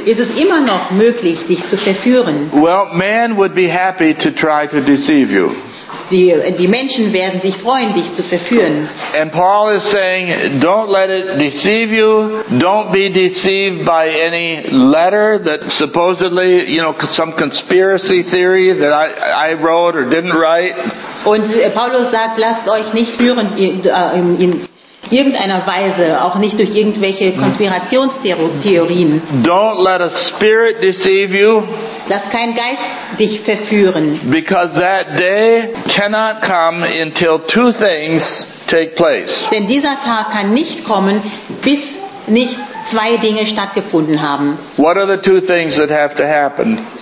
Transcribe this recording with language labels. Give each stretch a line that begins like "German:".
German: Ist es immer noch möglich, dich zu verführen?
English: Well, man would be happy to try to deceive you.
German: Die Menschen werden sich freuen, dich zu verführen.
English: And Paul is saying, don't let it deceive you. Don't be deceived by any letter that supposedly, you know, some conspiracy theory that I wrote or didn't write.
German: Und Paulus sagt, lasst euch nicht führen in irgendeiner Weise, auch nicht durch irgendwelche Konspirationstheorien.
English: Don't let a spirit deceive you.
German: Lass kein Geist dich verführen.
English: Because that day cannot come until two things take place.
German: Denn dieser Tag kann nicht kommen, bis nicht zwei Dinge stattgefunden haben.
English: What are the two things that have to happen?